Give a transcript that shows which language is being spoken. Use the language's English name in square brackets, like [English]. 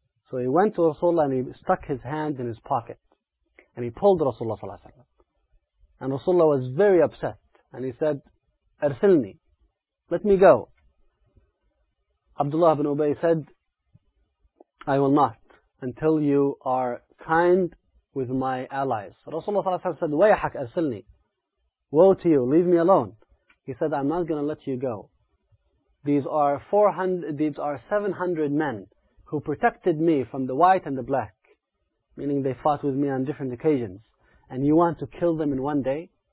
[English] So he went to Rasulullah and he stuck his hand in his pocket. And he pulled Rasulullah ﷺ. And Rasulullah was very upset. And he said, أرسلني. Let me go. Abdullah ibn Ubay said, I will not until you are kind with my allies. [Arabic] Rasulullah ﷺ said, وَيَحَكْ أَرْسِلْنِي. [English] Woe to you, leave me alone. He said, I'm not going to let you go. These are 700 men who protected me from the white and the black, meaning they fought with me on different occasions. And you want to kill them in one day?